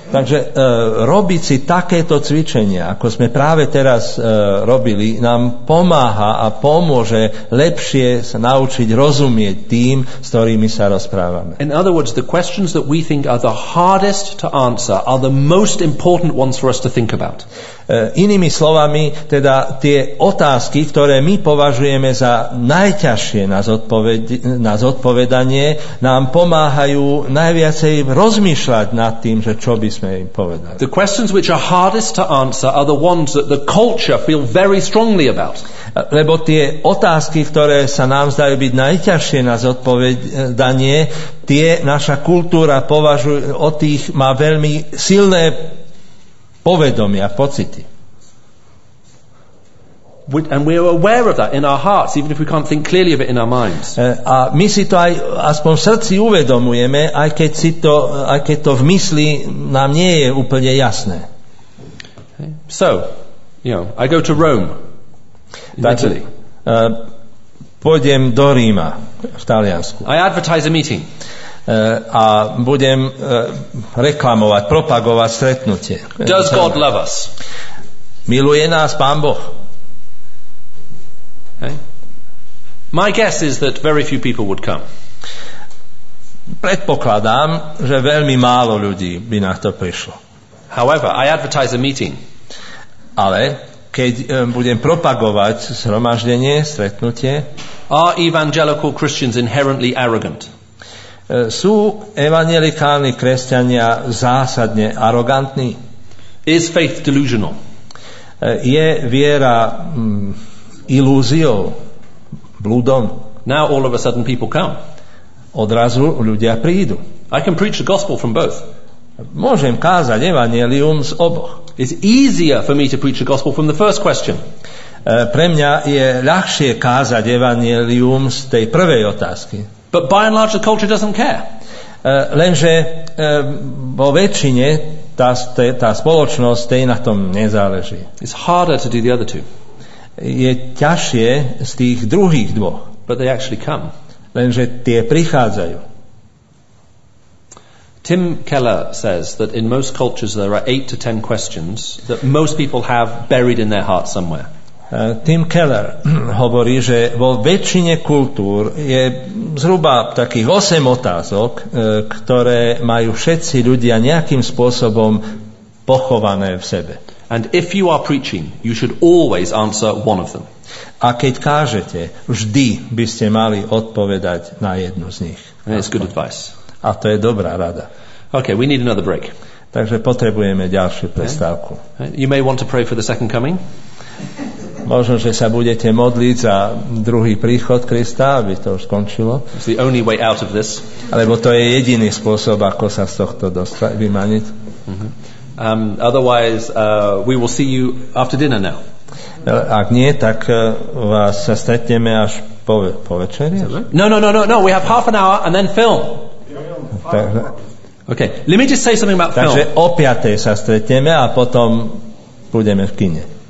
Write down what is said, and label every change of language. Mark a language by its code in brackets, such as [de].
[sk] Takže robiť si takéto cvičenia, ako sme práve teraz robili, nám pomáha a pomôže lepšie sa naučiť rozumieť tým, s ktorými sa rozprávame. [en] In other words, the questions that we think are the hardest to answer are the most important ones for us to think about. [sk] Inými slovami, teda tie otázky, ktoré my považujeme za najťažšie na zodpovedanie, nám pomáhajú najviacej rozmýšľať nad tým, že čo by sme im povedali. [en] The questions which are hardest to answer are the ones that the culture feel very strongly about. [sk] Lebo tie otázky, ktoré sa nám zdajú byť najťažšie na zodpovedanie, tie naša kultúra považuje, o tých má veľmi silné povedomia, pocity. [en] And we are aware of that in our hearts, even if we can't think clearly of it in our minds. [sk] A my si to aj aspoň v srdci uvedomujeme, aj keď si to, aj keď to v mysli nám nie je úplne jasné. [en] Okay. So, you know, I go to Rome. Italy. [sk] Pôjdem do Ríma, v Taliansku. [en] I advertise a meeting. [sk] A budem reklamovať, propagovať stretnutie. [en] Does God love us? [sk] Miluje nás Pán Boh? [en] Okay. My guess is that very few people would come. [sk] Predpokladám, že veľmi málo ľudí by na to prišlo. [en] However, I advertise a meeting. [sk] Ale keď budem propagovať zhromaždenie, stretnutie. [en] Are evangelical Christians inherently arrogant? [sk] Sú evangelikálni kresťania zásadne arogantní? [en] Is faith delusional? [sk] Je viera ilúziou, blúdom? [en] Now all of a sudden people come. [sk] Odrazu ľudia prídu. [en] I can preach the gospel from both. [sk] Môžem kázať evangelium z oboch. [en] It's easier for me to preach the gospel from the first question. [sk] Pre mňa je ľahšie kázať evangelium z tej prvej otázky. [en] But by and large the culture doesn't care. [sk] Lenže vo väčšine tá spoločnosť tej na tom nezáleží. [en] It's harder to do the other two. [sk] Je ťažšie z tých druhých dvoch. [en] But they actually come. [sk] Lenže tie prichádzajú. [en] Tim Keller says that in most cultures there are 8 to 10 questions that most people have buried in their heart somewhere. [sk] Tim Keller hovorí, že vo väčšine kultúr je zhruba takých 8 otázok, ktoré majú všetci ľudia nejakým spôsobom pochované v sebe. [en] And if you are preaching, you should always answer one of them. [sk] A keď kážete, vždy by ste mali odpovedať na jednu z nich. [en] That's good advice. [sk] A to je dobrá rada. [en] Okay, we need another break. [sk] Takže potrebujeme ďalšiu prestávku. [en] You may want to pray for the second coming. [sk] Možno, že sa budete modliť za druhý príchod Krista, aby to už skončilo. [en] It's the only way out of this. [sk] Alebo to je jediný spôsob, ako sa z tohto dostať, vymaniť. Mm-hmm. [en] Otherwise, we will see you after dinner now. [sk] Ak nie, tak vás sa stretneme až po večeri. [en] No, we have half an hour and then film. Okay, let me just say something about film. [sk] Takže o 5:00 sa stretneme a potom budeme v kine.